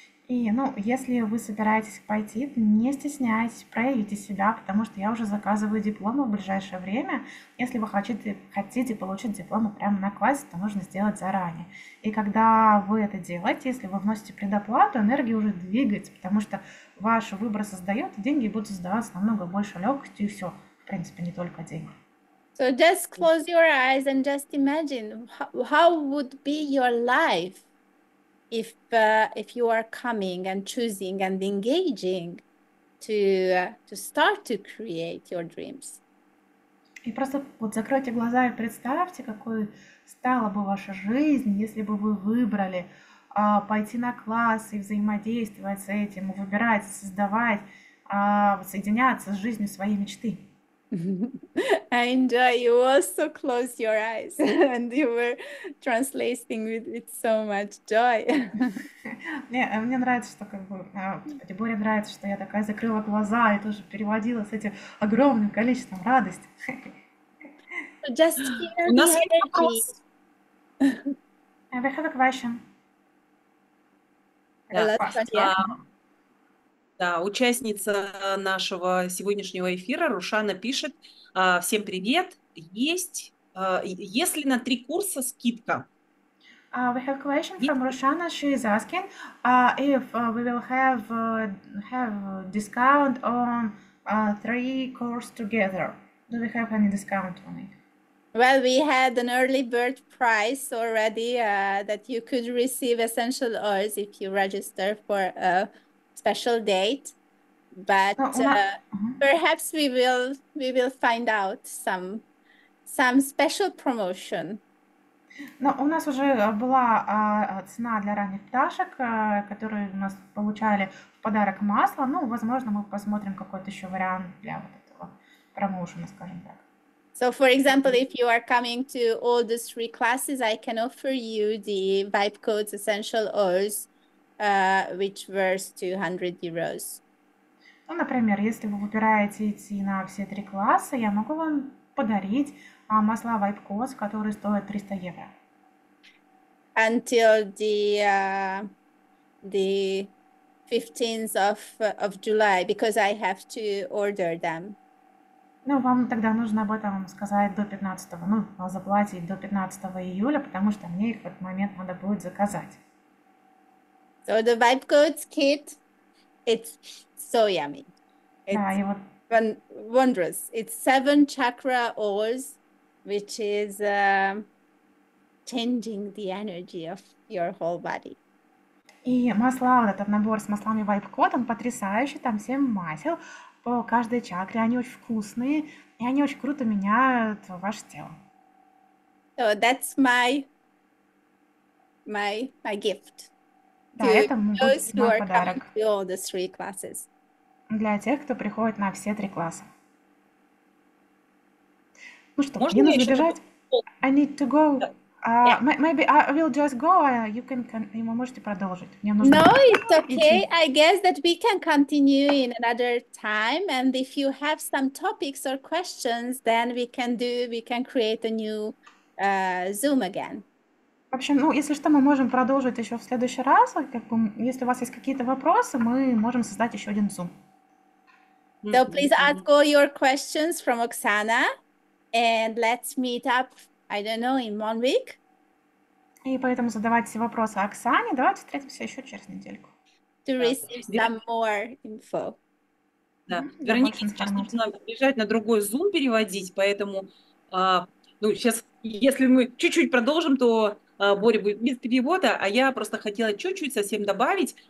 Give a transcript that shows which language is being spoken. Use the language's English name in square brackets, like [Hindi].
[Russian] И, ну, если вы собираетесь пойти, не стесняйтесь, проявите себя, потому что я уже заказываю дипломы в ближайшее время. Если вы хотите получить дипломы прямо на классе, то нужно сделать заранее. И когда вы это делаете, если вы вносите предоплату, энергия уже двигается, потому что ваш выбор создает, и деньги будут создаваться намного больше легкостью, и все, в принципе, не только деньги. [English] So just close your eyes and just imagine how would be your life. If you are coming and choosing and engaging to start to create your dreams. [Russian] И просто вот закройте глаза и представьте, какой стала бы ваша жизнь, если бы вы выбрали пойти на класс и взаимодействовать с этим, выбирать, создавать, соединяться с жизнью своей мечты. [English] I enjoy you also close your eyes and you were translating with so much joy. [Russian] Мне нравится, что как бы Боре нравится, что я такая закрыла глаза и тоже переводила с этим огромным количеством радости. [English] Just [Russian] У нас есть вопрос. [English] We have a question. [Russian] Да, участница нашего сегодняшнего эфира Рушана пишет: всем привет. Есть ли на три курса скидка? [English] We have a question from Roshana. She is asking if we will have discount on three courses together. Do we have any discount on it? Well, we had an early bird price already that you could receive essential oils if you register for a special date. But perhaps we will find out some special promotion. [Russian] Но у нас уже была цена для ранних пташек, которые у нас получали в подарок масло. Ну, возможно, мы посмотрим какой-то еще вариант для вот этого промоушена, скажем так. [English] So, for example, if you are coming to all the three classes, I can offer you the vibe codes essential oils, which worth 200 euros. [Russian] Ну, например, если вы выбираете идти на все три класса, я могу вам подарить масла Vibe Coats, которые стоят 300 евро. [English] Until the 15th of July, because I have to order them. [Russian] Ну, вам тогда нужно об этом сказать до 15-го, ну, заплатить до 15 июля, потому что мне их в этот момент надо будет заказать. [English] So the Vibe Coats kit, it's so yummy. It's [Russian] да, и вот... [English] wondrous. It's seven chakra oils, which is changing the energy of your whole body. [Russian] И масла, вот этот набор с маслами Vibe Coat, он потрясающий, там 7 масел по каждой чакре, они очень вкусные, и они очень круто меняют ваше тело. [English] So that's my gift. [Russian] Да, это будет мой подарок. [English] All the three classes. [Russian] Для тех, кто приходит на все три класса. Ну что, можно мне нужно бежать? [English] I need to go. Maybe I will just go. You can [Russian] и вы можете продолжить. Мне нужно. [English] No, it's okay. I guess that we can continue in another time. And if you have some topics or questions, then we can create a new Zoom again. [Russian] В общем, ну если что, мы можем продолжить еще в следующий раз. Как бы, если у вас есть какие-то вопросы, мы можем создать еще один Zoom. [English] So please ask all your questions from Oksana and let's meet up, I don't know, in 1 week. [Russian] И поэтому задавайте вопросы Оксане. Давайте встретимся еще через недельку. [English] To [Russian] Да. [English] receive some more info. [Russian] Да. Для Вероника, больше я сейчас информации. должна бежать на другой Zoom переводить, поэтому ну, сейчас, если мы чуть-чуть продолжим, то Боря будет без перевода, а я просто хотела чуть-чуть совсем добавить.